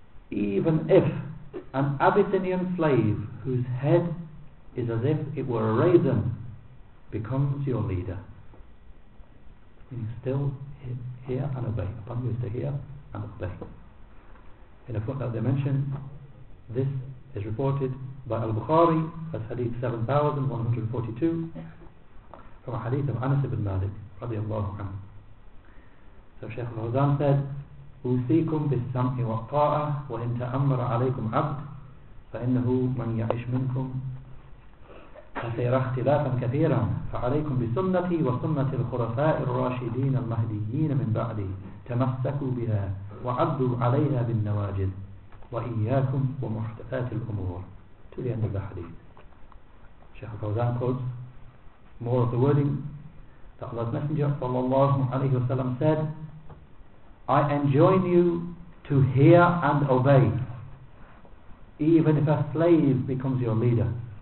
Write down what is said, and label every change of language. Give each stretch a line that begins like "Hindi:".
English: Even if an Abyssinian slave whose head is as if it were a raisin becomes your leader, you still hear and obey. Upon you is to hear and obey. In a footnote they mention, this is reported by Al-Bukhari as hadith 7142 from a hadith of Anas ibn Malik radiallahu anhu. So Shaykh al-Hawzan said,
Arabic: أُوْثِيكُمْ بِالسَّمْعِ وَالطَّاعَةِ وَإِنْ تَأَمَّرَ عَلَيْكُمْ عَبْدٌ فَإِنَّهُ مَنْ يَعِشْ مِنْكُمْ فسيرى اختلافا كثيرا فعليكم بسنتي وسنة الخلفاء الراشدين المهديين من بعدي تمسكوا بها وعضوا عليها بالنواجذ وإياكم ومحدثات الأمور.
English: to the end of the hadith. Shaykh al-Fawzan quotes more of the wording that Allah's Messenger sallallahu alayhi wa sallam said, I enjoin you to hear and obey, even if a slave becomes your leader.